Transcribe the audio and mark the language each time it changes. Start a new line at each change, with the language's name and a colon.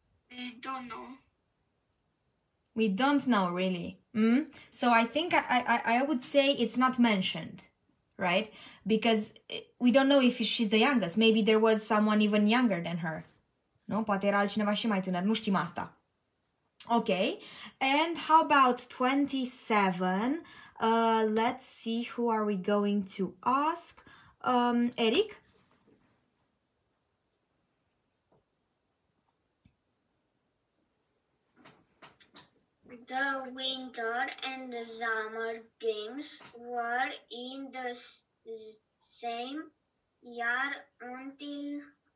English: We don't know. We don't know, really. So I think I would say it's not mentioned, right? Because we don't know if she's the youngest. Maybe there was someone even younger than her. No?
Romanian: Poate era altcineva și mai tânăr. Nu știm asta.
English: Okay. And how about 27? Let's see who are we going to ask. Eric? The Winter and the Summer Games were in the same year until